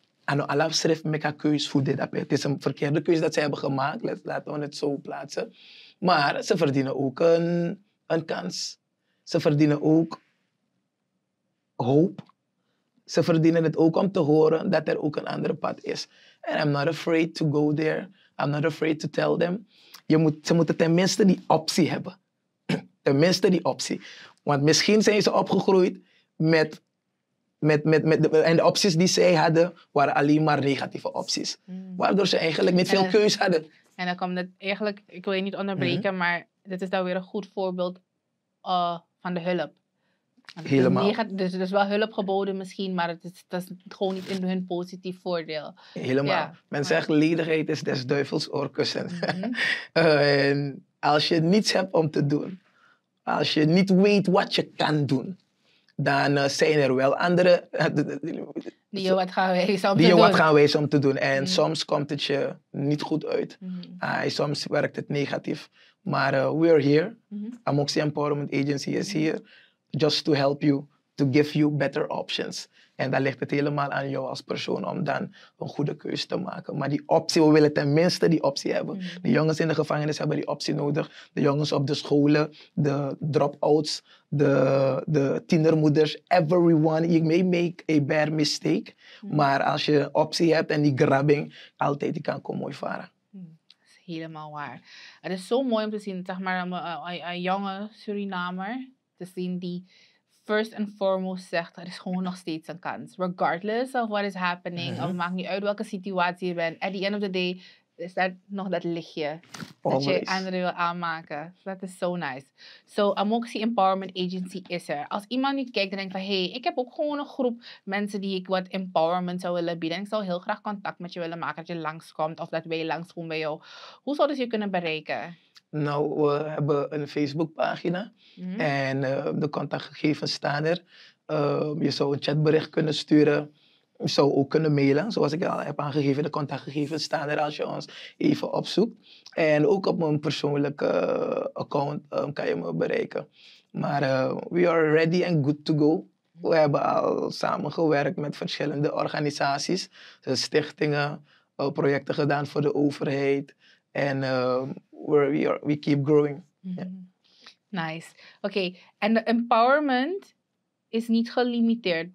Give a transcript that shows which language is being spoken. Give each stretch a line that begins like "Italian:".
Dutch: Ano alaf schrift meka keus voor dit appel. Het is een verkeerde keus dat zij hebben gemaakt. Laten we het zo plaatsen. Maar ze verdienen ook een kans. Ze verdienen ook hoop. Ze verdienen het ook om te horen dat er ook een andere pad is.
English: And I'm not afraid to go there. I'm not afraid to tell them.
Dutch: Ze moeten tenminste die optie hebben. Tenminste die optie. Want misschien zijn ze opgegroeid met de opties die zij hadden, waren alleen maar negatieve opties. Mm. Waardoor ze eigenlijk niet veel keus hadden. En dan kwam dat eigenlijk, ik wil je niet onderbreken, mm-hmm. maar dit is dan weer een goed voorbeeld van de hulp. Helemaal. Dus er is wel hulp geboden misschien, maar dat is gewoon niet in hun positief voordeel. Helemaal. Ja, men zegt, ledigheid is des duivels oorkussen. Mm-hmm. En als je niets hebt om te doen, als je niet weet wat je kan doen, dan zijn er wel anderen die je wat gaan wijzen om te doen. En mm-hmm. soms komt het je niet goed uit. Mm-hmm. Soms werkt het negatief.
English: Maar we're here. Mm-hmm. Amoxie Empowerment Agency is mm-hmm. here. Just to help you, to give you better options.
Dutch: En dan ligt het helemaal aan jou als persoon om dan een goede keuze te maken. Maar die optie, we willen tenminste die optie hebben. Mm-hmm. De jongens in de gevangenis hebben die optie nodig. De jongens op de scholen, de drop-outs, de tienermoeders, everyone.
English: You may make a bad mistake, mm-hmm.
Dutch: maar als je optie hebt en die grabbing, altijd die kan komen mooi varen. Dat is helemaal waar. Het is zo mooi om te zien, zeg maar, een jonge Surinamer te zien die
English: first and foremost
Dutch: zegt, er is gewoon nog steeds een kans.
English: Regardless of what is happening,
Dutch: mm-hmm. of maakt niet uit welke situatie je bent.
English: At the end of the day,
Dutch: is dat nog dat lichtje.
English: Always.
Dutch: Dat je anderen wil aanmaken. Dat is zo nice. So, Amoxie Empowerment Agency is er. Als iemand nu kijkt en denkt van, hey, ik heb ook gewoon een groep mensen die ik wat empowerment zou willen bieden. En ik zou heel graag contact met je willen maken, dat je langskomt of dat wij langskomen bij jou. Hoe zouden ze je kunnen bereiken? Nou, we hebben een Facebookpagina mm-hmm. en de contactgegevens staan er. Je zou een chatbericht kunnen sturen. Je zou ook kunnen mailen, zoals ik al heb aangegeven. De contactgegevens staan er als je ons even opzoekt. En ook op mijn persoonlijke account kan je me bereiken.
English: Maar we are ready and good to go.
Dutch: We hebben al samengewerkt met verschillende organisaties. Dus stichtingen, projecten gedaan voor de overheid.
English: En we keep growing. Mm-hmm. Yeah. Nice.
Dutch: Oké, en de empowerment is niet gelimiteerd.